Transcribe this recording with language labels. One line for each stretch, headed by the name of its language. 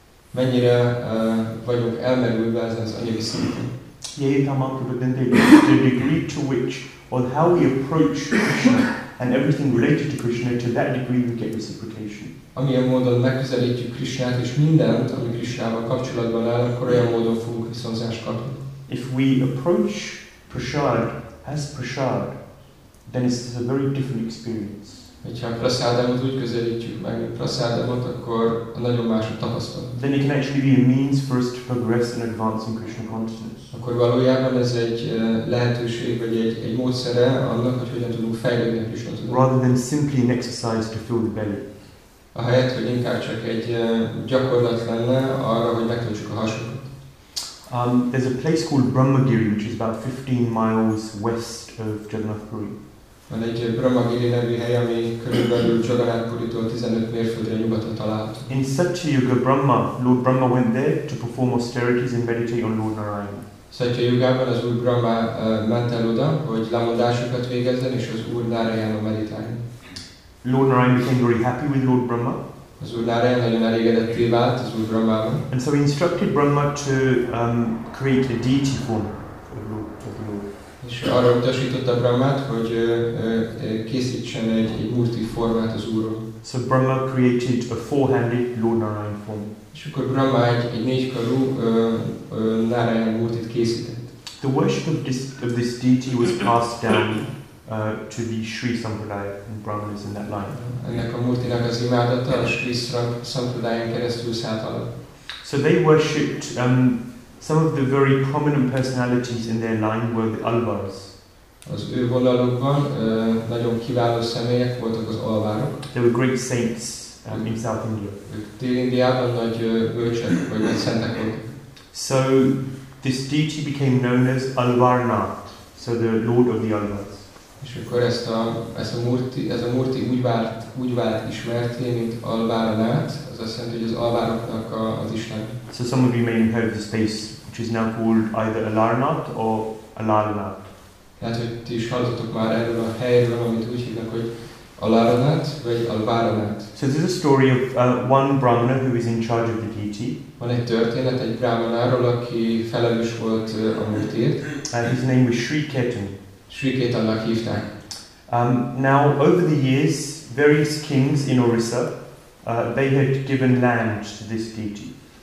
Hungarian: Mennyire vagyunk elmerülve ezen az anyagi szinten?
English: Yeah, but then the degree to which, or how we approach Krishna and everything related to Krishna, to that degree we get reciprocation.
Hungarian: Amilyen módon megközelítjük Krisnát és mindent, ami Krisnával kapcsolatban áll, akkor olyan módon fogunk viszonzást kapni.
English: If we approach prasad as prasad, then it's a very different experience.
Hungarian: Hogyha a prasádamot úgy közelítjük meg, mint prasádamot, akkor a nagyon más a tapasztalat.
English: Then it can actually be a means for us to progress and advance in Krishna consciousness.
Hungarian: Akkor valójában ez egy lehetőség, vagy egy módszere annak, hogy hogyan tudunk fejlődni a Krishna tudatban.
English: Rather than simply an exercise to fill the belly.
Hungarian: Ahelyett, hogy inkább csak egy gyakorlat lenne arra, hogy megtöltsük a hasunkat.
English: There's a place called Brahmagiri, which is about 15 miles west of Jagannath Puri.
Hungarian: Van egy Brahmagiri nevű hely, ami körülbelül Jagannath Puritól 15 mérföldre nyugatra található.
English: In Satyayuga Brahma, Lord Brahma went there to perform austerities and meditate on Lord Narayana.
Hungarian: Satyayugában az Úr Brahma ment el oda, hogy lemondásokat végezzen és az Úr Narayana meditáljon.
English: Lord Narayana became very happy with Lord Brahma.
Hungarian: Az Úr Narayana nagyon elégedetté vált az Úr Brahmával.
English: And so he instructed Brahma to create a deity form for Lord.
Hungarian: És arra utasította Brahmát, hogy készítsen egy murti formát az Úrról.
English: So Brahma created a four-handed Lord Narayana form.
Hungarian: És akkor Brahma egy négykarú Narayana murtit készített.
English: The worship of this deity was passed down to the Sri Sampradaya and Brahmanas in that line.
Hungarian: Ennek a murtinak az imádata a Sri Sampradayán keresztül szállt alá.
English: So they worshipped some of the very prominent personalities in their line were the Alvars.
Hungarian: Az ő vonalukban nagyon kiváló személyek voltak az Alvarok.
English: They were great saints in South India.
Hungarian: Dél-Indiában nagy bölcsek vagy nagy szentek voltak.
English: So this deity became known as Alvarnath, so the Lord of the Alvars.
Hungarian: És akkor ez a murti úgy vált ismerté, mint Alvarnath, az azt jelenti, hogy az Alvaroknak az Isten.
English: So some of you may have heard of the space, which is now called either Alarnath or Alarnath.
Hungarian: Lehet, hogy ti is hallottok már erről a helyről, amit úgy hívnak, hogy Alarnath vagy Alvarnath.
English: So this is a story of one Brahmana who is in charge of the deity.
Hungarian: Van egy történet egy Brahmanáról, aki felelős volt a murtiért.
English: His name was Sri Ketan.
Hungarian: Sri Ketannak hívták.
English: Now, over the years, various kings in Orissa, they had given land to this deity.